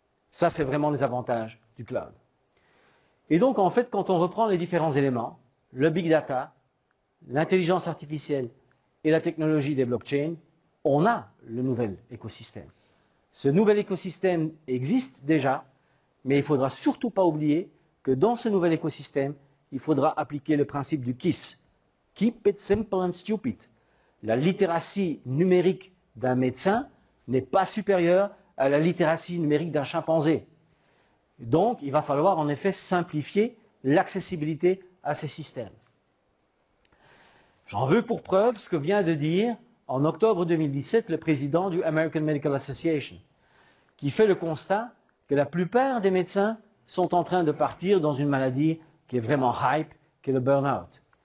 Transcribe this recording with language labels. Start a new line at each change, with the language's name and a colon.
French: Ça, c'est vraiment les avantages du cloud. Et donc, en fait, quand on reprend les différents éléments, le big data, l'intelligence artificielle et la technologie des blockchains, on a le nouvel écosystème. Ce nouvel écosystème existe déjà, mais il ne faudra surtout pas oublier que dans ce nouvel écosystème, il faudra appliquer le principe du KISS.
English: Keep it simple and stupid.
French: La littératie numérique d'un médecin n'est pas supérieure à la littératie numérique d'un chimpanzé. Donc, il va falloir en effet simplifier l'accessibilité à ces systèmes. J'en veux pour preuve ce que vient de dire en octobre 2017 le président du American Medical Association, qui fait le constat que la plupart des médecins sont en train de partir dans une maladie qui est vraiment hype, qui est le burn-out.